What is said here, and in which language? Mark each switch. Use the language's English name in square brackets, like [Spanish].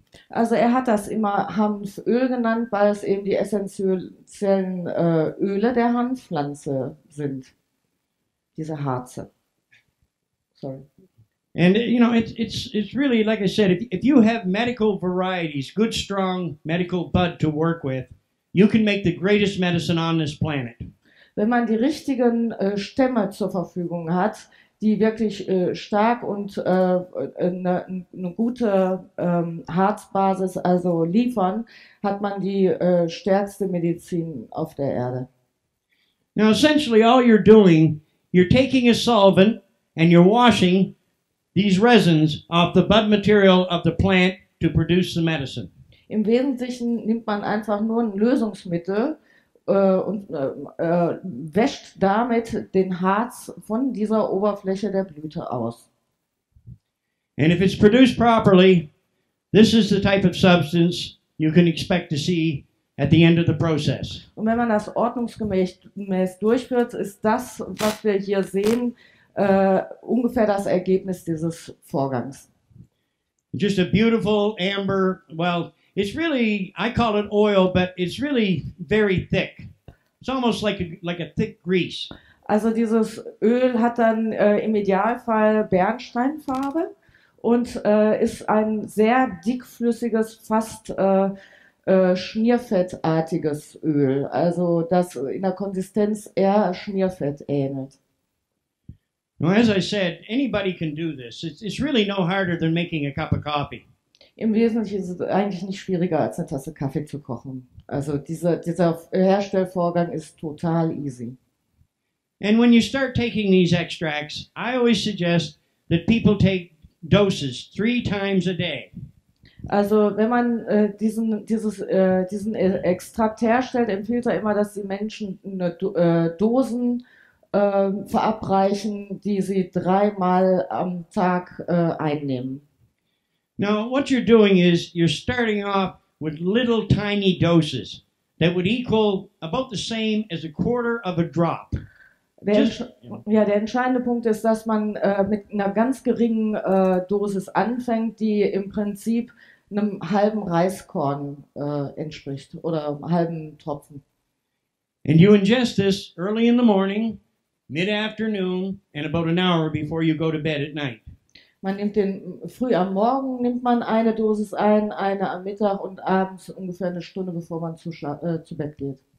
[German] Also er hat das immer Hanföl genannt, weil es eben die essentiellen Öle der Hanfpflanze sind, diese Harze. [English] Sorry. And you know, it's really like I said, if you have medical varieties, good strong medical bud to work with, you can make the greatest medicine on this planet. [German] Wenn man die richtigen Stämme zur Verfügung hat, die wirklich stark und eine gute Harzbasis also liefern, hat man die stärkste Medizin auf der Erde. [English] Now essentially all you're doing, you're taking a solvent and you're washing these resins off the bud material of the plant to produce the medicine. [German] Im Wesentlichen nimmt man einfach nur ein Lösungsmittel und wäscht damit den Harz von dieser Oberfläche der Blüte aus. [English] And if it's produced properly, this is the type of substance you can expect to see at the end of the process. [German] Und wenn man das ordnungsgemäß durchführt, ist das, was wir hier sehen, ungefähr das Ergebnis dieses Vorgangs. [English] Just a beautiful amber, well, it's really, I call it oil, but it's really very thick. It's almost like a thick grease. [German] Also dieses Öl hat dann im Idealfall Bernsteinfarbe und ist ein sehr dickflüssiges, fast schmierfettartiges Öl, also das in der Konsistenz eher Schmierfett ähnelt. [English] Well, as I said, anybody can do this. It's really no harder than making a cup of coffee. [German] Im Wesentlichen ist es eigentlich nicht schwieriger, als eine Tasse Kaffee zu kochen. Also dieser Herstellvorgang ist total easy. [English] And when you start taking these extracts, I always suggest that people take doses 3 times a day. [German] Also wenn man diesen Extrakt herstellt, empfiehlt er immer, dass die Menschen Dosen verabreichen, die sie 3 Mal am Tag einnehmen. [English] Now what you're doing is you're starting off with little tiny doses that would equal about the same as a quarter of a drop. [German] Der entscheidende Punkt ist, dass man mit einer ganz geringen Dosis anfängt, die im Prinzip einem halben Reiskorn entspricht oder einem halben Tropfen. [English] And you ingest this early in the morning, mid-afternoon and about an hour before you go to bed at night. [German] Man nimmt den früh am Morgen nimmt man eine Dosis ein, eine am Mittag und abends ungefähr eine Stunde bevor man zu Bett geht.